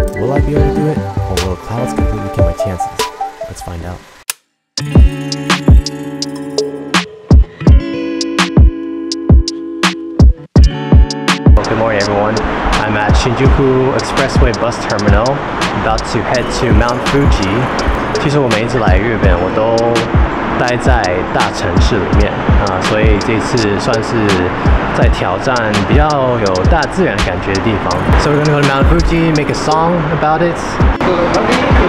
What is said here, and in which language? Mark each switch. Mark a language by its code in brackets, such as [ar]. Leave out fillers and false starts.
[en] Will I be able to do it, or will clouds completely kill my chances? Let's find out. Good morning, everyone. I'm at Shinjuku Expressway bus terminal, about to head to Mount Fuji. [zh] 其实我每一次来日本，我都待在大城市里面，所以这次算是在挑战比较有大自然感觉的地方. [en] So we're gonna go to Mount Fuji, make a song about it.